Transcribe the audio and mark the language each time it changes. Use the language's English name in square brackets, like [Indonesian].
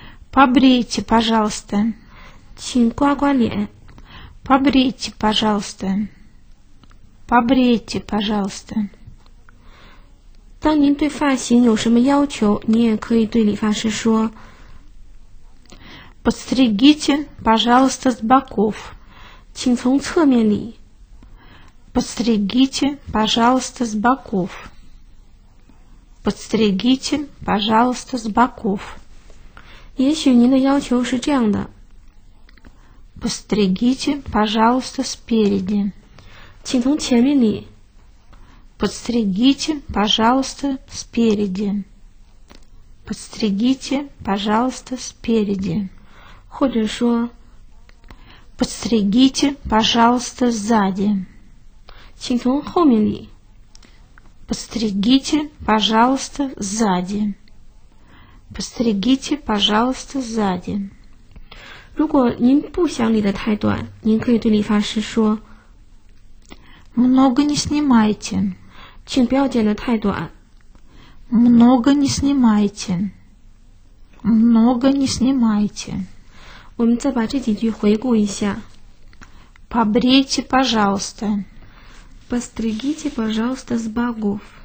[Russian] Побрейте, пожалуйста. [Chinese] 请刮刮脸。 [Russian] Побрейте, пожалуйста. Побрейте, пожалуйста. [Chinese] 当您对发型有什么要求，你也可以对理发师说。 [Russian] Подстригите, пожалуйста, с боков. [Chinese] 请从侧面理。 [Russian] Подстригите, пожалуйста, с боков. Подстригите, пожалуйста, с боков. [Chinese] 也许您的要求是这样的。 [Russian] Подстригите, пожалуйста, спереди. [Chinese] 请从前面理。 [Russian] Подстригите, пожалуйста, спереди. Подстригите, пожалуйста, спереди. [Chinese] 或者说 [Russian] Подстригите, пожалуйста, сзади. [Chinese] 请从后面理。 [Russian] Подстригите, пожалуйста, сзади. Подстригите, пожалуйста, сзади. [Chinese] 如果您不想理得太短，您可以对理发师说。 [Russian] Много не снимайте. [Chinese] 请不要剪得太短。 [Russian] Много не снимайте. Много не снимайте. [Chinese] 我们再把这几句回顾一下。 [Russian] Побрейте, пожалуйста. Подстригите, пожалуйста, с боков.